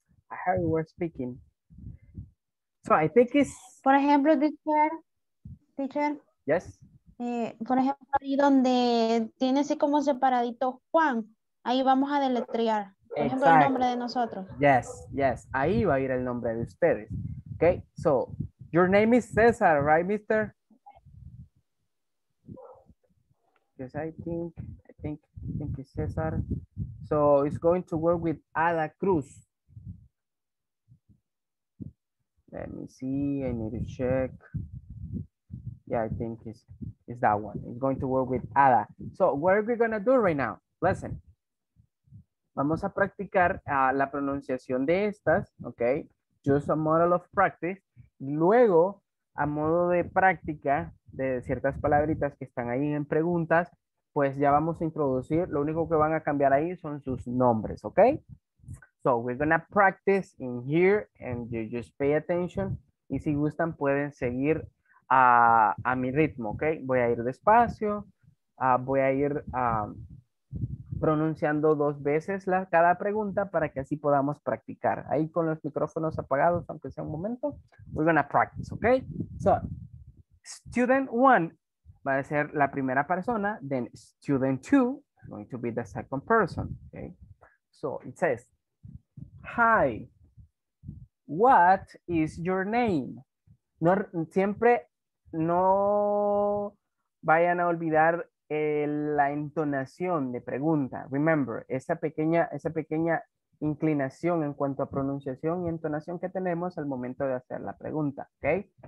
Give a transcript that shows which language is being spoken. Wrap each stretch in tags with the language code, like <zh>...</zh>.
<en>I heard you were speaking. So I think it's...</en> <es>Por ejemplo, teacher.</es> <en>Yes.</en> <es>Por ejemplo, ahí donde tiene así como separadito Juan, ahí vamos a deletrear. Por ejemplo, exacto. El nombre de nosotros.</es> <en>Yes, yes.</en> <es>Ahí va a ir el nombre de ustedes.</es> <en>Okay, so, your name is Cesar, right, mister? Yes, I think it's Cesar. So, it's going to work with Ada Cruz. Let me see, I need to check. Yeah, I think it's that one. It's going to work with Ada. So, what are we going to do right now? Listen.</en> <es>Vamos a practicar la pronunciación de estas, ok,</es> <en>just a model of practice,</en> <es>luego a modo de práctica de ciertas palabritas que están ahí en preguntas, pues ya vamos a introducir, lo único que van a cambiar ahí son sus nombres, ok.</es> <en>So we're gonna practice in here and you just pay attention</en> <es>y si gustan pueden seguir a mi ritmo,</es> <en>ok.</en> <es>Voy a ir despacio, voy a ir pronunciando dos veces cada pregunta para que así podamos practicar. Ahí con los micrófonos apagados, aunque sea un momento,</es> <en>we're gonna practice,</en> <es>ok?</es> <en>So, student one</en> <es>va a ser la primera persona,</es> <en>then student two is going to be the second person, ok? So, it says, hi, what is your name?</en> <es>No, siempre no vayan a olvidar la entonación de pregunta. Remember, esa pequeña inclinación en cuanto a pronunciación y entonación que tenemos al momento de hacer la pregunta, ¿ok?</es>